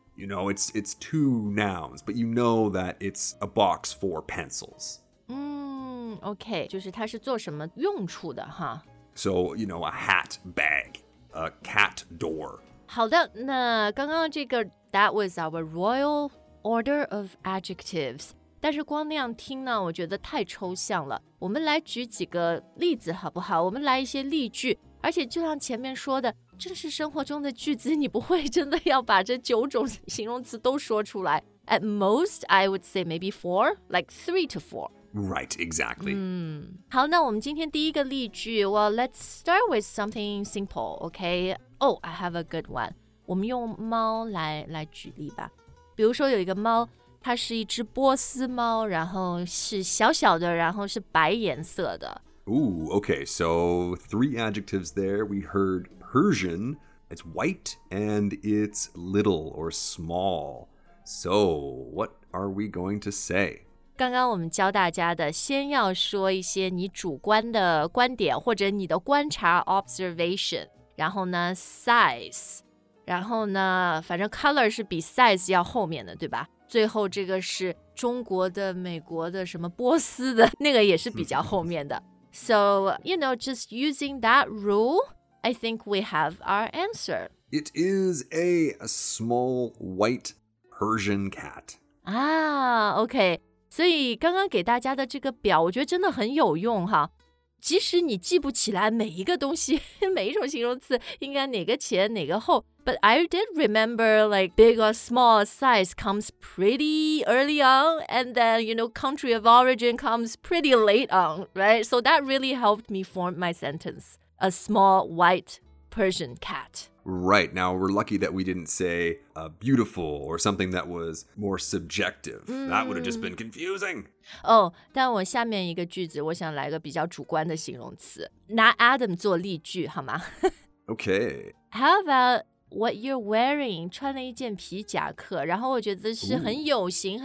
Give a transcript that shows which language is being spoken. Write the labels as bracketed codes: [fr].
[en] You know, it's two nouns, but you know that it's a box for pencils. [zh] Okay, 就是它是做什么用处的哈。 [en] So, you know, a hat bag, a cat door. [zh] 好的，那刚刚这个 [en] that was our royal order of adjectives. [zh] 但是光那样听呢，我觉得太抽象了。我们来举几个例子好不好？我们来一些例句，而且就像前面说的，正是生活中的句子，你不会真的要把这九种形容词都说出来。 [en] At most, I would say maybe four, like 3 to 4. Right, exactly. [zh] 好，那我们今天第一个例句 [en] ，Well, let's start with something simple, okay? Oh, I have a good one. [zh] 我们用猫来举例吧。比如说有一个猫。它是一只波斯猫，然后是小小的，然后是白颜色的。 [en] Ooh, okay, so 3 adjectives there. We heard Persian, it's white, and it's little or small. So, what are we going to say? [zh] 刚刚我们教大家的，先要说一些你主观的观点，或者你的观察 observation, 然后呢 size, 然后呢反正 color 是比 size 要后面的，对吧？最后这个是中国的、美国的、什么波斯的，那个也是比较后面的。 [en] So, you know, just using that rule, I think we have our answer. It is a small white Persian cat. Okay. [zh] 所以刚刚给大家的这个表，我觉得真的很有用哈。即使你记不起来每一个东西，每一种形容词应该哪个前哪个后， [en] but I did remember like big or small size comes pretty early on, and then you know country of origin comes pretty late on, right? So that really helped me form my sentence. A small white Persian cat. Right. Now, we're lucky that we didn't say beautiful or something that was more subjective. That would have just been confusing. [zh] Oh, 但我下面一个句子我想来个比较主观的形容词。拿 Adam 做例句好吗? [en] Okay. How about what you're wearing? [zh] 穿了一件皮夹克然后我觉得是很有型、Ooh.